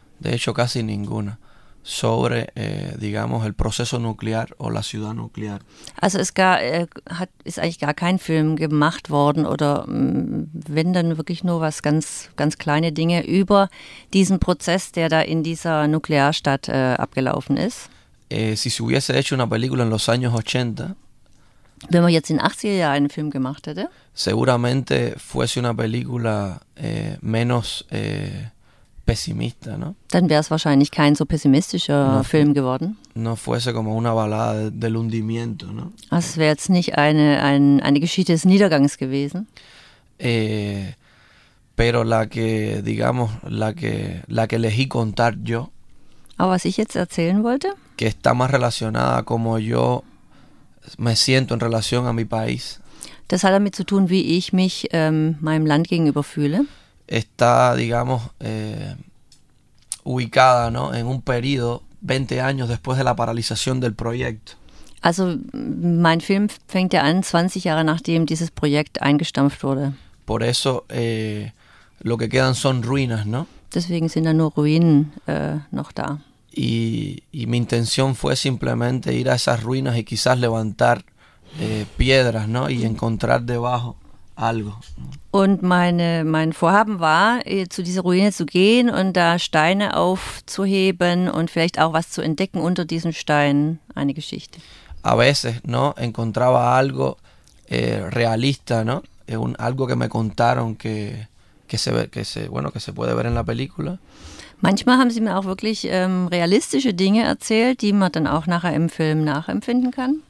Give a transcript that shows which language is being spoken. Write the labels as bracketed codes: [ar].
[es] De hecho, casi ninguna. Sobre, digamos, el proceso nuclear o la ciudad nuclear. [de] Also es gar, hat, ist eigentlich gar kein Film gemacht worden oder wenn dann wirklich nur was ganz, ganz kleine Dinge über diesen Prozess, der da in dieser Nuklearstadt abgelaufen ist. [es] Si se hubiese hecho una película en los años 80, [de] wenn man jetzt in 80er Jahren einen Film gemacht hätte, [es] seguramente fuese una película menos pessimista, ¿no? [de] Dann wäre es wahrscheinlich kein so pessimistischer Film geworden. [es] No fuese como una balada del hundimiento, ¿no? [de] Es wäre jetzt nicht eine Geschichte des Niedergangs gewesen. [es] Pero la que, digamos, la que elegí contar yo. [de] Aber was ich jetzt erzählen wollte. [es] Que está más relacionada como yo me siento en relación a mi país. [de] Das hat damit zu tun, wie ich mich meinem Land gegenüber fühle. [es] Está, digamos, ubicada, ¿no? En un periodo 20 años después de la paralización del proyecto. [de] Also, mein Film fängt ja an 20 Jahre nachdem dieses Projekt eingestampft wurde. [es] Por eso, lo que quedan son ruinas, ¿no? [de] Deswegen sind da nur Ruinen noch da. [es] Y mi intención fue simplemente ir a esas ruinas y quizás levantar piedras, ¿no? Y encontrar debajo algo. [de] Und mein Vorhaben war, zu dieser Ruine zu gehen und da Steine aufzuheben und vielleicht auch was zu entdecken unter diesen Steinen, eine Geschichte. [es] A veces, ¿no? Encontraba algo realista, ¿no? Algo que me contaron que se puede ver en la película. [de] Manchmal haben sie mir auch wirklich realistische Dinge erzählt, die man dann auch nachher im Film nachempfinden kann.